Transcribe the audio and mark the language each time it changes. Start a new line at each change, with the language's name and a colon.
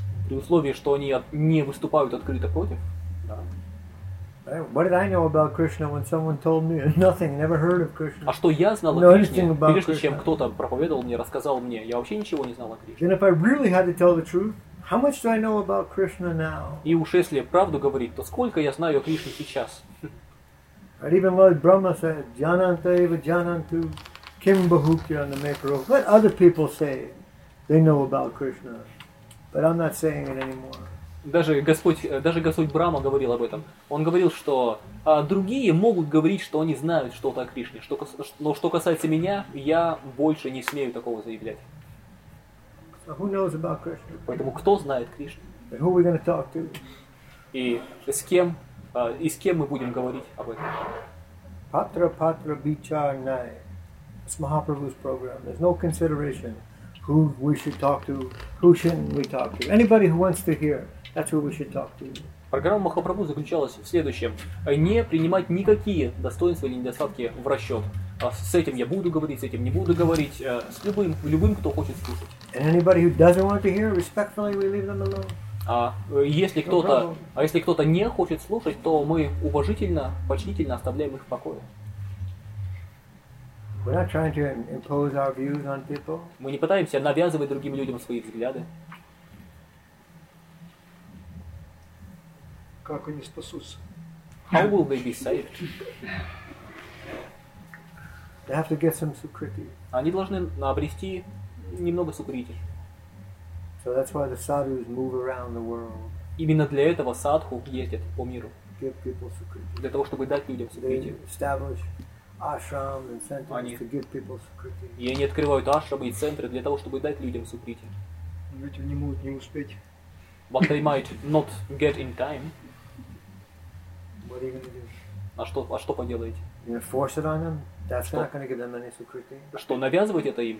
Russian: При условии, что они не выступают открыто против.
English: What did I know about Krishna when someone told me nothing, never heard of Krishna?
Russian: А что я знал о Кришне, прежде чем кто-то проповедовал мне, рассказал мне, я вообще ничего не знал о Кришне.
English: Then if I really had to tell the truth, how much do I know about Krishna now?
Russian: И уж если правду говорить, то сколько я знаю о Кришне сейчас?
English: Even Lord Brahma said,
Sanskrit: Jananta eva Janantu, Kim Bahukya
English: and the Maker of. Let other people say they know about Krishna. But I'm not saying it anymore.
Russian: Даже Господь Брама говорил об этом. Он говорил, что другие могут говорить, что они знают что-то о Кришне. Но что касается меня, я больше не смею такого заявлять.
English: So who knows about Krishna?
Russian: Поэтому кто знает Кришну?
English: And who are we going to talk to?
Russian: И с кем? И с кем мы будем говорить об этом?
Bangla: Patra patra bichar nai.
English: It's Mahaprabhu's program. There's no consideration. Who we should talk to, who shouldn't we talk to. Anybody who wants to hear, that's who we should talk to.
Russian: Программа Махапрабху заключалась в следующем. Не принимать никакие достоинства или недостатки в расчет. С этим я буду говорить, с этим не буду говорить. С любым, кто хочет слушать.
English: And anybody who doesn't want to hear, respectfully we leave them alone.
Russian: Если кто-то не хочет слушать, то мы уважительно, почтительно оставляем их в покое.
English: We're not trying to impose our views on people.
Russian: Мы не пытаемся навязывать другим людям свои взгляды. Как они спасутся?
English: How will they be saved? They have to get some sukriti.
Russian: Они должны обрести немного сукрити.
English: So that's why the sadhus move around the world.
Russian: Именно для этого садху ездят по миру.
English: Give people sukriti.
Russian: Для того, чтобы дать людям сукрити.
English: Ashram and centers
Russian: они,
English: to give people sukriti.
Russian: И они открывают ашрамы и центры для того, чтобы дать людям сукрити. Ведь они могут не успеть.
English: But they might not get in time. What are you gonna do?
Russian: А что поделаете?
English: You're gonna force it on them? That's not gonna give them any sukriti.
Russian: Что навязывать это им?